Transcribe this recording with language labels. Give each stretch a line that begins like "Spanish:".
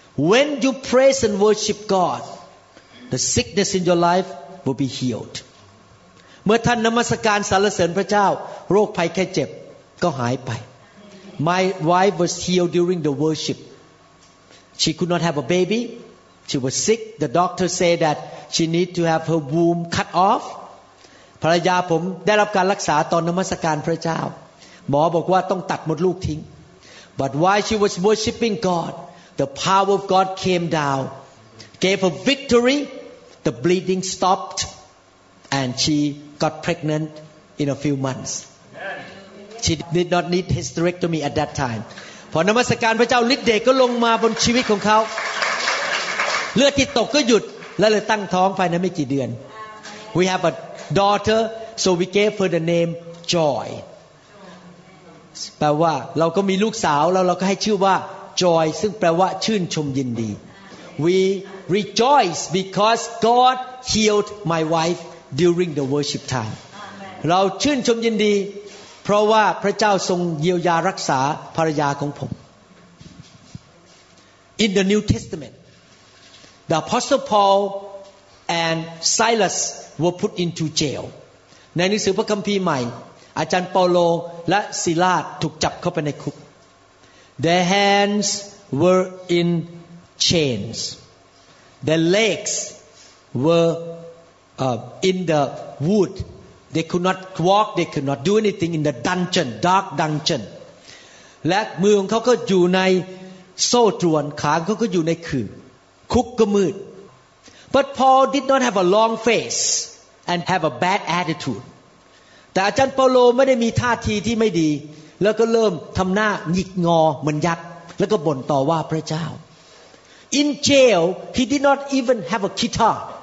English: when you praise and worship God the sickness in your life will be healed
Thai: เมื่อท่านนมัสการสรรเสริญพระเจ้าโรคภัยแค่เจ็บก็หายไป
English: My wife was healed during the worship. She could not have a baby. She was sick. The doctor said that she need to have her womb cut off.
Thai: ภรรยาผมได้รับการรักษาตอนนมัสการพระเจ้าหมอบอกว่าต้องตัดมดลูกทิ้ง
English: But while she was worshiping God, the power of God came down, gave her victory. The bleeding stopped, and she got pregnant in a few months. She did not need hysterectomy at that time.
Thai: พอนมัสการพระเจ้าฤทธิ์เดชก็ลงมาบนชีวิตของเขาเลือดที่ตกก็หยุดและเลยตั้งท้องภายในไม่กี่เดือน
English: We have a daughter, so we gave her the name Joy.
Thai: แปลว่าเราก็มีลูกสาวแล้วเราก็ให้ชื่อว่า Joy, ซึ่งแปลว่าชื่นชมยินดี
English: We rejoice because God healed my wife during the worship time.
Thai: เราชื่นชมยินดีเพราะว่าพระเจ้าทรงเยียวยารักษาภรรยาของผม
English: In the New Testament the apostle Paul and Silas were put into jail
Thai: ในหนังสือพระคัมภีร์ใหม่อาจารย์เปาโลและซิลาสถูกจับเข้าไปในคุก
English: Their hands were in chains Their legs were in the woodThey could not walk. They could not do anything in the dungeon, dark dungeon.
Thai: และมือของเขาก็อยู่ในโซ่ตรวนขาเขาก็อยู่ในขื่อคุกก็มืด
English: But Paul did not have a long face and have a bad attitude.
Thai: แต่อาจารย์เปาโลไม่ได้มีท่าทีที่ไม่ดีแล้วก็เริ่มทำหน้าหงิกงอเหมือนยักษ์แล้วก็บ่นต่อว่าพระเจ้า
English: In jail, he did not even have a guitar.